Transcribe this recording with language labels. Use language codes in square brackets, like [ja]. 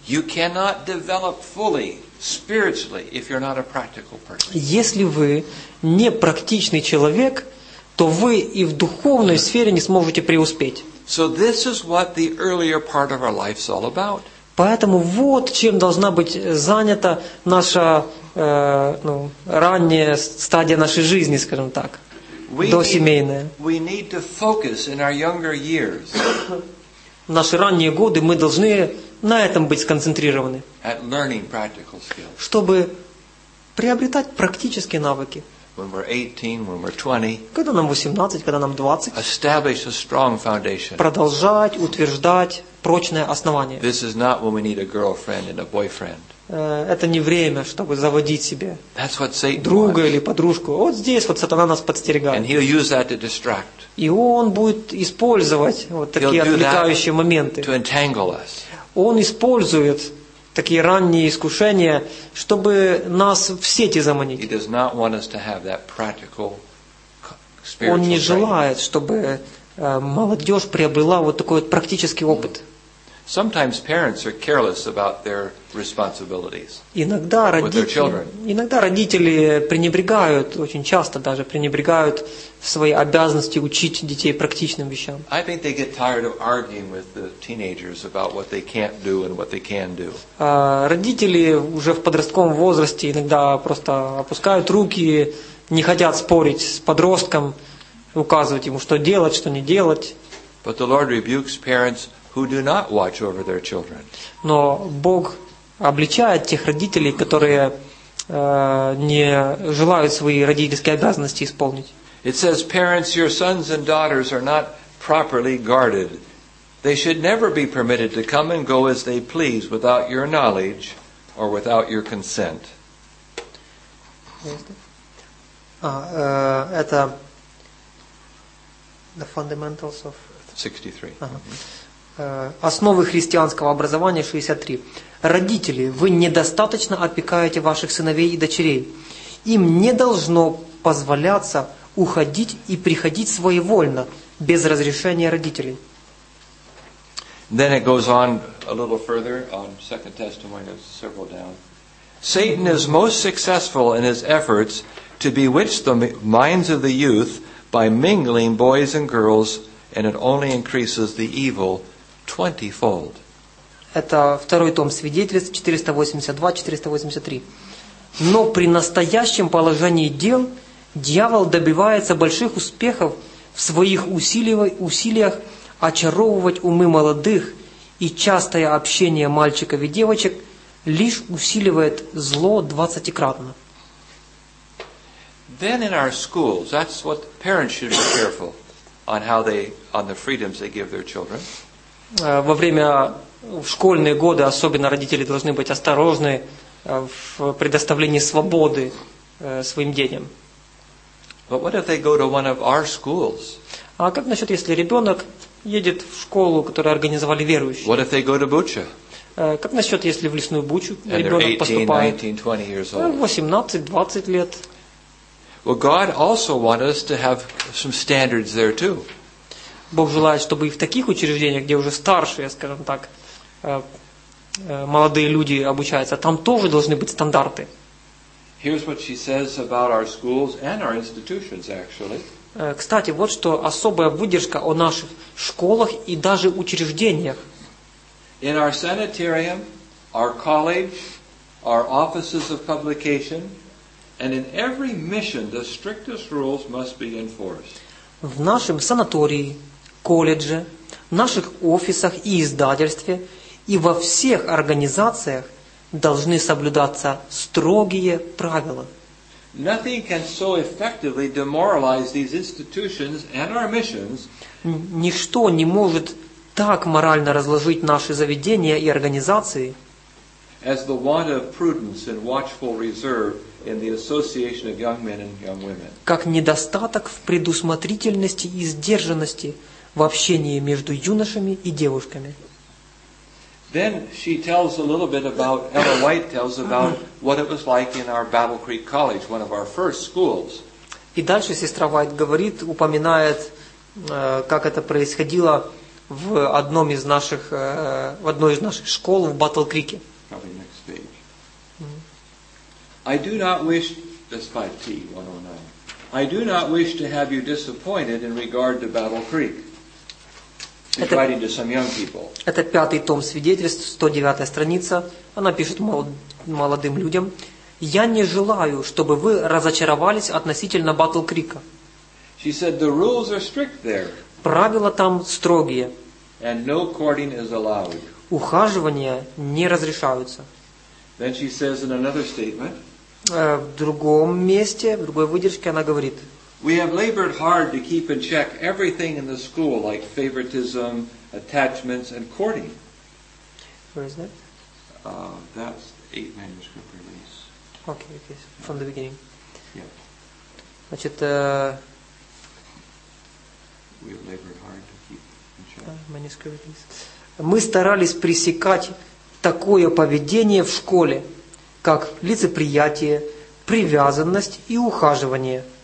[en] You cannot develop fully spiritually if you're not a practical person. [ru] Если вы не практичный человек, то вы и в духовной сфере не сможете преуспеть. [en] So this is what the earlier part of our life is all about. [ru] Поэтому вот чем должна быть занята наша ранняя стадия нашей жизни, скажем так. [en] We need to focus in our younger years. [ru] В наши ранние годы мы должны на этом быть сконцентрированы. [en] At learning practical skills. [ru] Чтобы приобретать практические навыки. [en] When we're 18, when we're 20. [ru] Когда нам 18, когда нам 20. [en] Establish a strong foundation. [ru] Продолжать утверждать прочное основание. [en] This is not when we need a girlfriend and a boyfriend. [ru] Это не время, чтобы заводить себе друга или подружку. Вот здесь вот сатана нас подстерегает. И он будет использовать вот такие отвлекающие моменты. Он использует такие ранние искушения, чтобы нас в сети заманить. [en] He does not want us to have that practical spiritual training. [ru] Он не желает, чтобы молодежь приобрела вот такой вот практический опыт. [en] Sometimes parents are careless about their responsibilities [ru] Иногда родители пренебрегают, очень часто даже пренебрегают своей обязанности учить детей практичным вещам. [en] I think they get tired of arguing with the teenagers about what they can't do and what they can do. [ru] Родители уже в подростковом возрасте иногда просто опускают руки, не хотят спорить с подростком, указывать ему, что делать, что не делать. [en] But the Lord rebukes parents who do not watch over their children. [ru] Но Бог обличает тех родителей, которые не желают свои родительские обязанности исполнить. [en] It says, parents, your sons and daughters are not properly guarded. They should never be permitted to come and go as they please without your knowledge or without your consent. [ru] Это [en] the fundamentals of 63. [ru] Основы христианского образования 63. Родители, вы недостаточно опекаете ваших сыновей и дочерей. Им не должно позволяться уходить и приходить своевольно, без разрешения родителей. [en] Then it goes on a little further on Second Testimony, several down. Satan is most successful in his efforts to bewitch the minds of the youth by mingling boys and girls, and it only increases the evil. 20-fold. [ru] Это второй том свидетельств, 482-483. Но при настоящем положении дел дьявол добивается больших успехов в своих усилиях очаровывать умы молодых, и частое общение мальчиков и девочек лишь усиливает зло 20-кратно. [en] Then in our schools, that's what parents should be careful on how they, on the freedoms they give their children. [ru] Во время в школьные годы особенно родители должны быть осторожны в предоставлении свободы своим детям. [en] But what if they go to one of our schools? [ru] А как насчет, если ребенок едет в школу, которую организовали верующие? [en] What if they go to Bucha? [ru] Как насчет, если в лесную Бучу ребенок поступает? 18-20 лет. [en] Well, God also wants us to have some standards there too. [ru] Бог желает, чтобы и в таких учреждениях, где уже старшие, скажем так, молодые люди обучаются, там тоже должны быть стандарты. [en] Here's what she says about our schools and our institutions, actually. [ru] Кстати, вот что особая выдержка о наших школах и даже учреждениях. [en] In our sanitarium, our college, our offices of publication, and in every mission, the strictest rules must be enforced. [ru] В нашем санатории, колледже, в наших офисах и издательстве, и во всех организациях должны соблюдаться строгие правила. [en] Nothing can so effectively demoralize these institutions and our missions. [ru] Ничто не может так морально разложить наши заведения и организации, [en] as the want of prudence and watchful reserve in the association of young men and young women. [ru] Как недостаток в предусмотрительности и сдержанности в общении между юношами и девушками. [en] Then she tells a little bit about, Ella White tells about what it was like in our Battle Creek College, one of our first schools. [ru] И дальше сестра Уайт говорит, упоминает, как это происходило в одном из наших, в одной из наших школ в Battle Creek. [en] Probably next page. I do not wish, that's 5T109. I do not wish to have you disappointed in regard to Battle Creek. [ru] Это, [en] writing to some young people. [ru] Это пятый том свидетельств, 109 страница. Она пишет молодым людям. Я не желаю, чтобы вы разочаровались относительно Battle Creek. [en] She said, the rules are strict there. [ru] Правила там строгие. [en] And no courting is allowed. [ru] Ухаживания не разрешаются. [en] Then she says in another statement, [ru] в другом месте, в другой выдержке она говорит, [en] we have labored hard to keep in check everything in the school, like favoritism, attachments, and courting. Where is that? That's the 8 manuscript release. Okay, from the beginning. Yeah. [ru] Значит, [en] we have labored hard to keep in check. Manuscript release. [ru] Мы старались пресекать такое поведение в школе, как лицеприятие, привязанность и ухаживание.